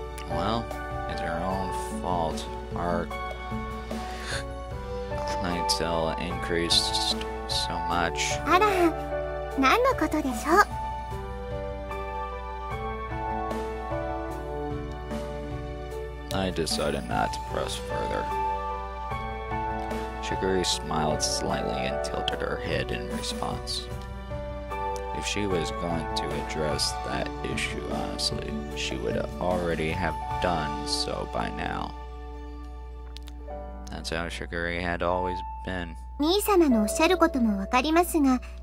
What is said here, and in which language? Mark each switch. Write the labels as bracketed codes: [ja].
[en] Well, it's your own fault. Our clientele increased so much. [ja] あら、何のことでしょう。 [en] I decided not to press further. Shigeru smiled slightly and tilted her head in response. If she was going to address that issue honestly, she would already have done so by now. That's how Shigeru had always been. [ja] 兄様のおっしゃることもわかりますが。